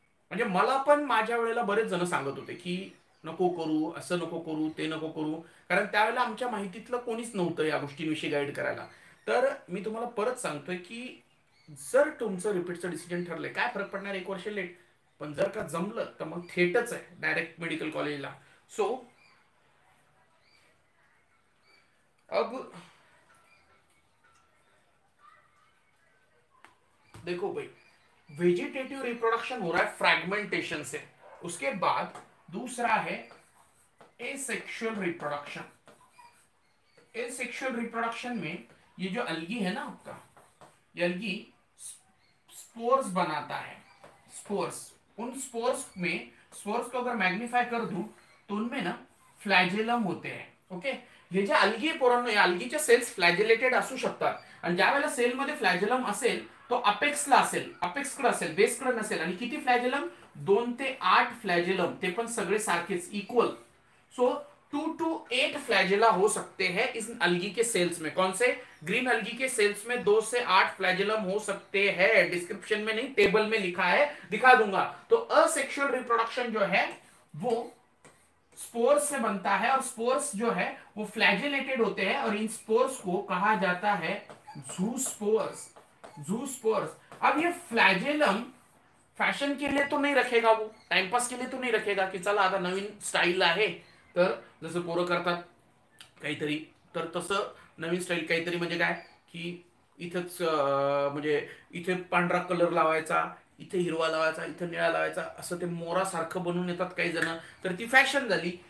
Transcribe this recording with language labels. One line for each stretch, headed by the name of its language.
Marathi: म्हणजे मला पण माझ्या वेळेला बरेच जण सांगत होते की नको करू, असं नको करू, ते नको करू, कारण त्यावेळेला आमच्या माहितीतलं कोणीच नव्हतं या गोष्टींविषयी गाईड करायला. तर मी तुम्हाला परत सांगतोय की जर तुमचं रिपीटचं डिसिजन ठरलंय काय फरक पडणार एक वर्ष लेट, पण जर का जमलं तर मग थेटच आहे डायरेक्ट मेडिकल कॉलेजला.
Hindi: सो अब देखो भाई, वेजिटेटिव रिप्रोडक्शन हो रहा है फ्रेगमेंटेशन से, उसके बाद दूसरा है एसेक्सुअल रिप्रोडक्शन. एसेक्सुअल रिप्रोडक्शन में ये जो अल्गी है ना आपका, ये अल्गी स्पोर्स बनाता है, स्पोर्स, उन स्पोर्स में, स्पोर्स को अगर मैग्निफाई कर दूं तो उनमें ना फ्लैजेलम होते हैं.
Marathi: ओके, ये जे अल्गी है पोरांनो, या अल्गी चे सेल्स फ्लैजेलेटेड असू शकतात, आणि ज्या वेळेला सेल मध्ये फ्लैजेलम असेल तो अपेक्सला असेल, अपेक्स कडे असेल, बेस कडे नसेल. आणि किती फ्लैजेलम, 2 ते 8 फ्लैजेलम, ते पण सगळे सारखेच इक्वल.
Hindi: सो 2 to 8 फ्लैजेला हो सकते हैं इस अल्गी के सेल्स में. कौन से? ग्रीन अल्गी के सेल्स में 2 से 8 फ्लैजेलम हो सकते हैं. डिस्क्रिप्शन में नहीं, टेबल में लिखा है, दिखा दूंगा. तो असेक्सुअल रिप्रोडक्शन जो है वो स्पोर्स से बनता है, और स्पोर्स जो है वो फ्लैजेलेटेड होते हैं, और इन स्पोर्स को कहा जाता है ज़ूस्पोर्स. ज़ूस्पोर्स. अब ये फ्लैजेलम फैशन के लिए तो नहीं रखेगा, वो टाइम पास के लिए तो नहीं रखेगा कि
Marathi: चला आता नवीन स्टाइल है, तर जसं पोरं करतात काहीतरी, तर तसं नवीन स्टाईल काहीतरी, म्हणजे काय की इथंच म्हणजे इथे पांढरा कलर लावायचा, इथे हिरवा लावायचा, इथे निळा लावायचा, असं ते मोरासारखं बनून येतात काही जण, तर ती फॅशन झाली.